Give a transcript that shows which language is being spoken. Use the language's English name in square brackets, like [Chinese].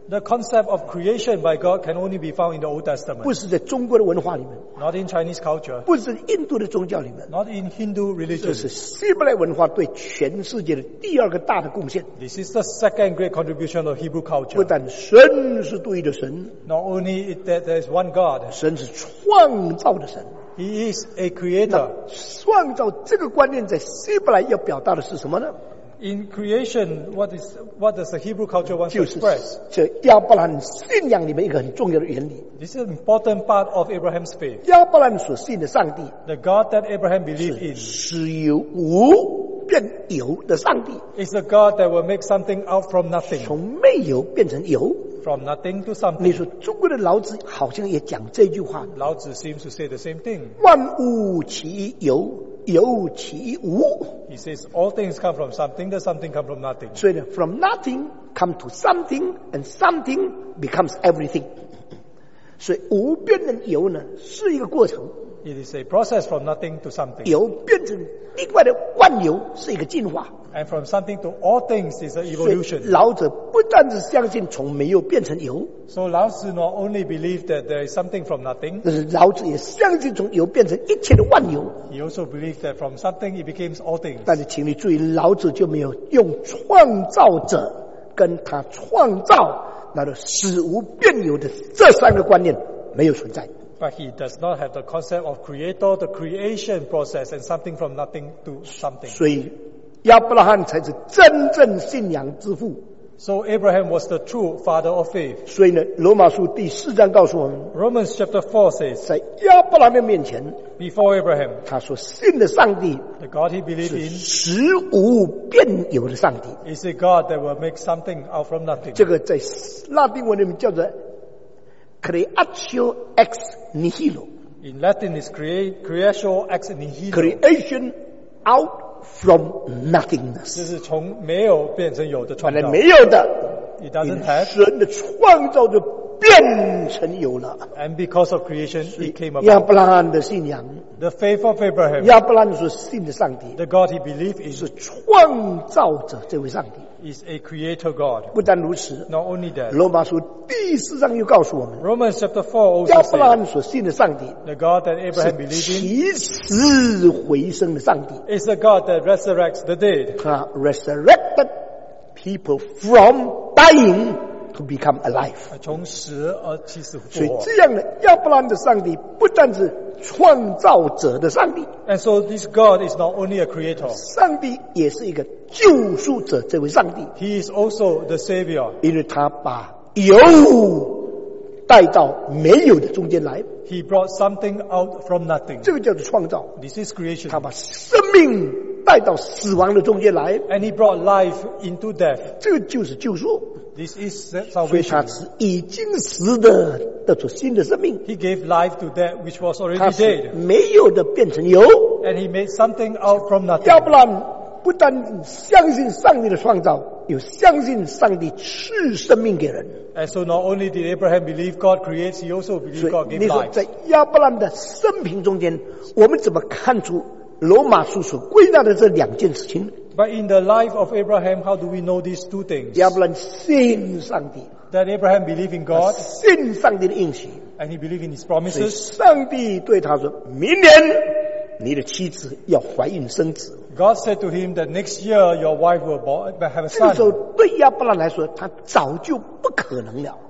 [English] The concept of creation by God can only be found in the Old Testament. [Chinese] 不是在中国的文化里面。 [English] Not in Chinese culture. [Chinese] 不是印度的宗教里面。 [English] Not in Hindu religion. [Chinese] 这是希伯来文化对全世界的第二个大的贡献。 [English] This is the second great contribution of Hebrew culture. [Chinese] 不但神是独一的神。 [English] Not only that there is one God. [Chinese] 神是创造的神。 [English] He is a creator. [Chinese] 创造这个观念在希伯来要表达的是什么呢？ [English] In creation, what does the Hebrew culture want to express? [Chinese] 这亚伯兰信仰里面一个很重要的原理。 [English] This is an important part of Abraham's faith. [Chinese] 亚伯兰所信的上帝。 [English] The God that Abraham believed in. [Chinese] 是有无。变有的上帝。 [English] It's a God that will make something out from nothing. [Chinese] 从没有变成有。 [English] From nothing to something. [Chinese] 你说中国的老子好像也讲这句话。 [English] 老子 seems to say the same thing. [Chinese] 万物起有，有起无。 [English] He says all things come from something, the something come from nothing. [Chinese] 所以呢 [English] ，from nothing come to something, and something becomes everything. [Chinese] 所以无变成有呢，是一个过程。 [English] It is a process from nothing to something. [Chinese] 有变成另外的万有是一个进化。 [English] And from something to all things is an evolution. [Chinese] 老子不但是相信从没有变成有。 [English] So 老子 not only believe that there is something from nothing. [Chinese] 老子也相信从有变成一切的万有。 [English] He also believes that from something it becomes all things. [Chinese] 但是请你注意，老子就没有用创造者跟他创造那个死无变有的这三个观念没有存在。 [English] But he does not have the concept of creator, the creation process, and something from nothing to something. [Chinese] 所以亚伯拉罕才是真正信仰之父。 [English] So Abraham was the true father of faith. [Chinese] 所以呢，罗马书第四章告诉我们 [English] ，Romans chapter 4 says， [Chinese] 在亚伯拉罕面前 [English] ，before Abraham， [Chinese] 他所信的上帝 [English] ，the God he believed in， [Chinese] 是实无变有的上帝 [English] ，is a God that will make something out from nothing。 [Chinese] 这个在拉丁文里面叫做。 [Latin] Creatio ex nihilo. [English] In Latin, it's creatio ex nihilo. Creation out from nothingness. [Chinese] 就是从没有变成有的创造。本来没有的。 [English] It doesn't have. [Chinese] 神的创造就变成有了。 [English] And because of creation, it came about. [Chinese] 亚伯拉罕的信仰。 [English] The faith of Abraham. [Chinese] 亚伯拉罕所信的上帝。 [English] The God he believed in. [Chinese] 是创造者这位上帝。 [English] Is a creator God. [Chinese] 不但如此 [English] Not only that. [Chinese] 罗马书第四章又告诉我们 [English] Romans chapter 4 also says [Chinese] 亚伯拉罕所信的上帝 [English] The God that Abraham believed in [Chinese] 是起死回生的上帝 [English] Is a God that resurrects the dead. [Chinese] 他 [English] resurrected people from dying to become alive. [Chinese] 从死而起死复活所以这样的亚伯拉罕的上帝不但是创造者的上帝 [English] And so this God is not only a creator. [Chinese] 上帝也是一个救赎者这位上帝 [English] He is also the savior. [Chinese] 因为他把有带到没有的中间来 [English] He brought something out from nothing. [Chinese] 这个叫做创造 [English] This is creation. [Chinese] 他把生命带到死亡的中间来 [English] And he brought life into death. [Chinese] 这个就是救赎 [English] This is salvation. [Chinese] 所以他是已经死的得出新的生命 [English] He gave life to that which was already dead. [Chinese] 他是没有的变成有 [English] And he made something out from nothing. [Chinese] 要不然不但相信上帝的创造，又相信上帝赐生命给人。 [English] And so not only did Abraham believe God creates, he also believed God gave life. [Chinese] 所以你说在亚伯兰的生平中间，我们怎么看出罗马书所归纳的这两件事情 [English] ？But in the life of Abraham, how do we know these two things? [Chinese] 亚伯兰信上帝。 [English] That Abraham believed in God. [Chinese] 信上帝的应许。 [English] And he believed in his promises. [Chinese] 所以上帝对他说：“明年你的妻子要怀孕生子。” [English] God said to him that next year your wife will have a son. [Chinese] 这时候对亚伯拉罕来说，他早就不可能了。